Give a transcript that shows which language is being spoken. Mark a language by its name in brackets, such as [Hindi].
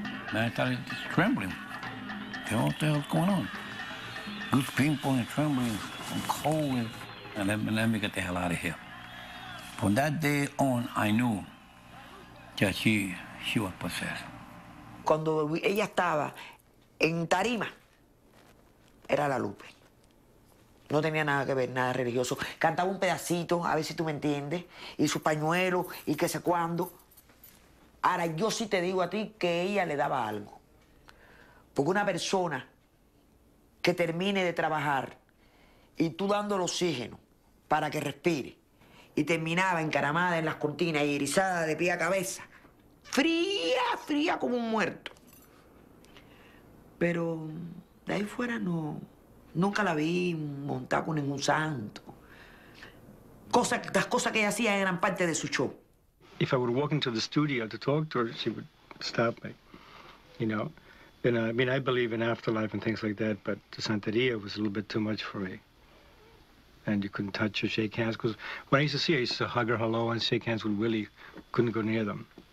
[English] And I started just trembling. What the hell's going on? Good people and trembling and cold. And let me get the hell out of here. From that day on, I knew that she was possessed. [Spanish] Cuando ella estaba en tarima, era la Lupe. No tenía nada que ver, nada religioso. Cantaba un pedacito, a ver si tú me entiendes, y su pañuelo, y qué sé cuándo. Ahora, yo sí te digo a ti que ella le daba algo. Porque una persona que termine de trabajar y tú dando el oxígeno para que respire y terminaba encaramada en las cortinas y erizada de pie a cabeza, fría, fría como un muerto. Pero de ahí fuera no, nunca la vi montada con ningún santo. Las cosas que ella hacía eran parte de su show. [English] If I would walk into the studio to talk to her, she would stop me, you know. And I mean, I believe in afterlife and things like that, but the Santeria was a little bit too much for me. And you couldn't touch or shake hands, because when I used to see her, I used to hug her hello and shake hands with Willie, couldn't go near them.